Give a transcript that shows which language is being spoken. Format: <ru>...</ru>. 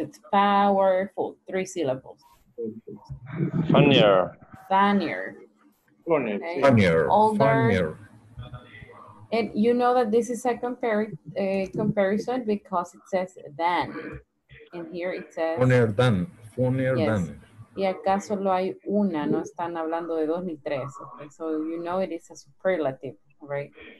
<en>It's powerful. Three syllables. Funnier. Funnier. Okay. Funnier. Older. Funnier. And you know that this is a comparison because it says than. And here it says. Funnier than. Funnier yes. than.</en> <es>Y acá solo hay una, no están hablando de dos ni tres.</es> <en>Okay? So you know it is a superlative, right?</en>